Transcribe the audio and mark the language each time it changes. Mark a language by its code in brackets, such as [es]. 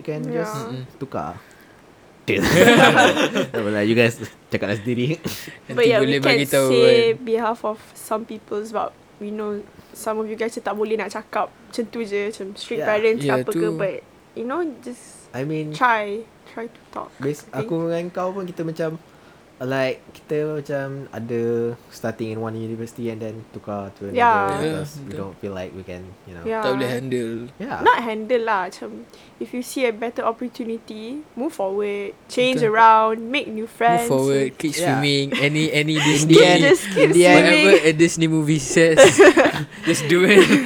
[en] You can just [ms] tukar. [en] Well, you guys [ms] cakaplah sendiri. [en] But yeah, [ms] boleh [en] we can [ms] tahu, [en] say kan? Behalf of some people, but we know some of you guys [ms] tak boleh nak cakap macam tu je, macam [en] strict parents [ms] apa ke. [en] But you know, just I mean, try to talk. [ms] Bis, aku dengan kau pun kita macam. [en] Like, [ms] kita macam ada [en] starting in one university and then [ms] tukar [en] to another because we don't feel like we can, you know. [ms] Tak boleh handle. [en] Yeah. Not handle lah. [ms] Macam, [en] if you see a better opportunity, move forward. Change around. Make new friends. Move forward. Keep swimming. Any Disney. In the end, whatever a Disney movie says, just do it.